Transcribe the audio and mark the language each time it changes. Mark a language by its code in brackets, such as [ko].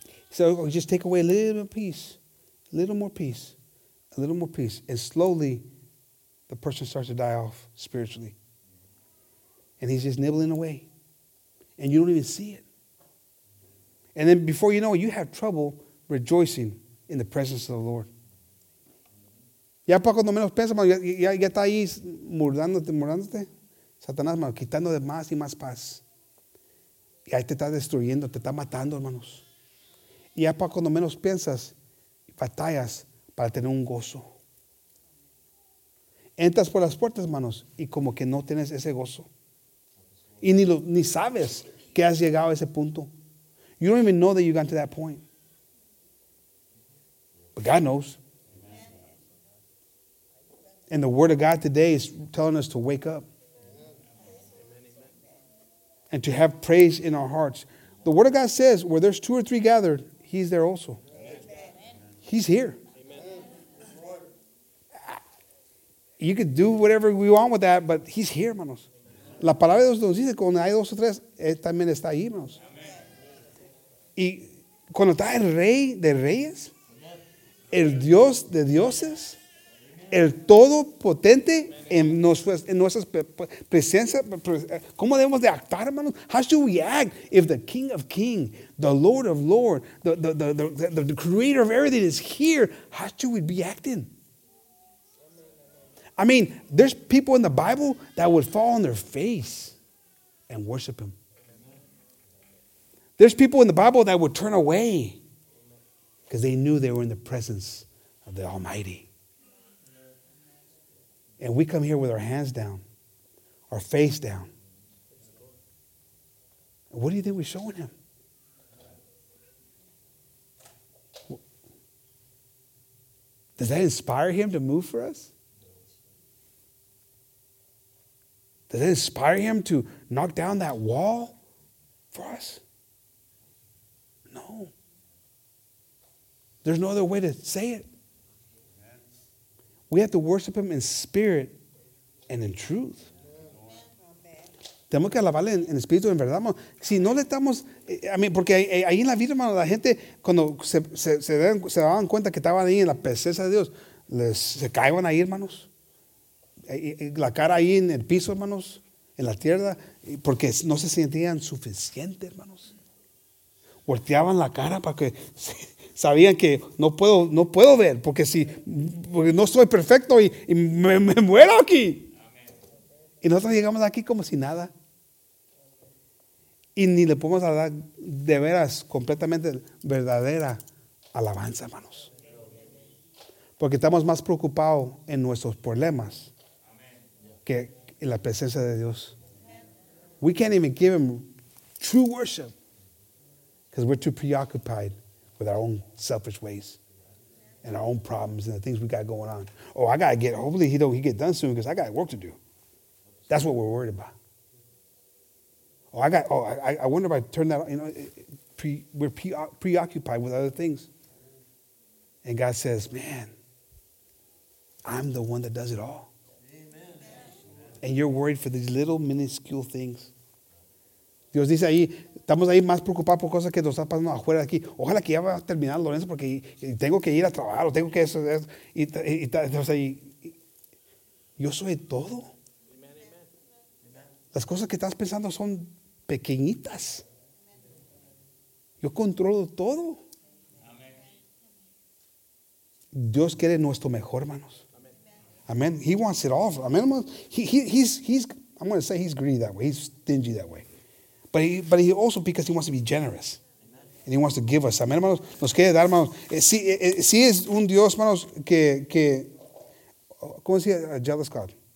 [en] So just take away a little bit of peace, a little more peace, a little more peace. And slowly, the person starts to die off spiritually. And he's just nibbling away. And you don't even see it. And then before you know it, you have trouble rejoicing in the presence of the Lord. [es] Ya para cuando menos piensa, ya está ahí murdándote. Satanás, quitando de más y más paz. Y ahí te está destruyendo, te está matando, hermanos. Y ya para cuando menos piensas, batallas para tener un gozo. Entras por las puertas, hermanos, y como que no tienes ese gozo. Y ni sabes que has llegado a ese punto. [en] You don't even know that you've gone to that point. But God knows. And the word of God today is telling us to wake up. And to have praise in our hearts. The word of God says, where there's two or three gathered, He's there also. Amen. He's here. Amen. You could do whatever we want with that, but He's here, hermanos. [es] La palabra de Dios nos dice, cuando hay dos o tres, también está ahí, hermanos. Y cuando está el Rey de Reyes, el Dios de Dioses, el Todopotente en nuestras presencias, ¿cómo debemos de actuar, hermanos? [en] How should we act if the King of Kings, the Lord of Lords, the creator of everything is here? How should we be acting? I mean, there's people in the Bible that would fall on their face and worship Him. There's people in the Bible that would turn away because they knew they were in the presence of the Almighty. And we come here with our hands down, our face down. What do you think we're showing Him? Does that inspire Him to move for us? Does that inspire him to knock down that wall for us? No. There's no other way to say it. We have to worship him in spirit and in truth. [es] Tenemos que alabarle en espíritu, en verdad. Si no le estamos, porque ahí en la vida, hermano, la gente cuando se daban cuenta que estaban ahí en la presencia de Dios, se caían ahí, hermanos. La cara ahí en el piso, hermanos, en la tierra, porque no se sentían suficientes, hermanos. Volteaban la cara para que sabían que no puedo ver, porque no soy perfecto y me muero aquí. Y nosotros llegamos aquí como si nada. Y ni le podemos dar de veras completamente verdadera alabanza, hermanos. Porque estamos más preocupados en nuestros problemas que en la presencia de Dios. [en] We can't even give him true worship because we're too preoccupied with our own selfish ways and our own problems and the things we got going on. Oh, I got to get, hopefully he get done soon because I got work to do. That's what we're worried about. I wonder if I turn that, we're preoccupied with other things. And God says, man, I'm the one that does it all. Amen. And you're worried for these little minuscule things. [es] Dios dice ahí, estamos ahí más preocupados por cosas que nos están pasando afuera de aquí. Ojalá que ya va a terminar, Lorenzo, porque tengo que ir a trabajar, o tengo que eso. Yo soy todo. Las cosas que estás pensando son pequeñitas. Yo controlo todo. Dios quiere nuestro mejor, hermanos. Amén. [en] He wants it all. [es] Amén. [en] I'm going to say he's greedy that way. He's stingy that way. But he also because he wants to be generous. And he wants to give us. Amén, hermanos. [es] Nos quiere dar, hermanos. Si es un Dios, hermanos, que ¿cómo se dice? [en] A jealous God.